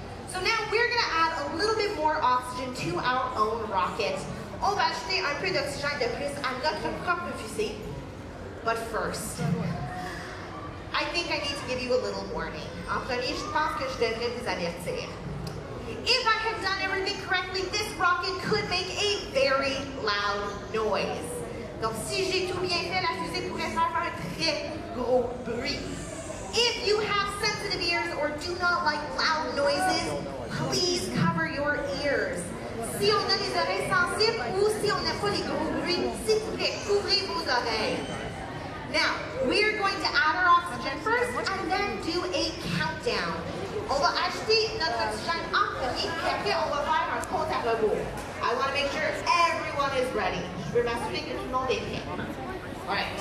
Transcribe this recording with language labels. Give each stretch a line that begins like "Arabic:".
English: So now we're going to add a little bit more oxygen to our own rocket.
French: On va ajouter un peu d'oxygène de plus à notre propre fusée.
English: But first, I think I need to give you a little warning.
French: En premier, je pense que je devrais vous avertir.
English: If I have done everything correctly, this rocket could make a very loud noise.
French: Donc si j'ai tout bien fait, la fusée pourrait faire un très gros bruit.
English: If you have sensitive ears or do not like loud noises, please cover your ears.
French: Si on a les oreilles sensibles ou si on n'a pas les gros bruits, s'il vous plaît, couvrez vos oreilles.
English: Now, we are going to add our oxygen first and then do a countdown.
French: On va acheter notre oxygène en premier, puis après on va faire un compte à rebours.
English: I want to make sure everyone is ready.
French: Je veux m'assurer que tout le monde est prêt.
English: All right.